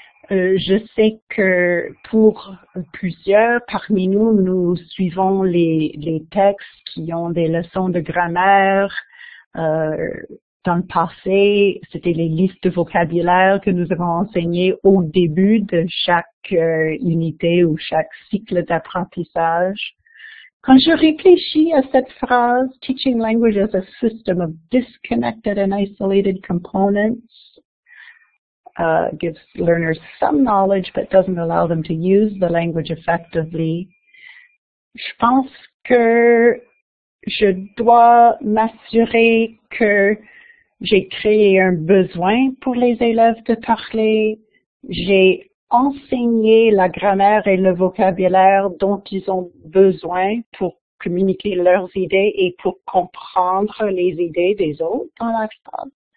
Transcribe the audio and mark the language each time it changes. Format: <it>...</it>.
<fr>Je sais que pour plusieurs parmi nous, nous suivons les textes qui ont des leçons de grammaire. Dans le passé, c'était les listes de vocabulaire que nous avons enseignées au début de chaque unité ou chaque cycle d'apprentissage. Quand je réfléchis à cette phrase,</fr> <en>teaching language as a system of disconnected and isolated components gives learners some knowledge but doesn't allow them to use the language effectively.</en> <fr>Je pense que je dois m'assurer que j'ai créé un besoin pour les élèves de parler. J'ai enseigner la grammaire et le vocabulaire dont ils ont besoin pour communiquer leurs idées et pour comprendre les idées des autres dans la classe.</fr>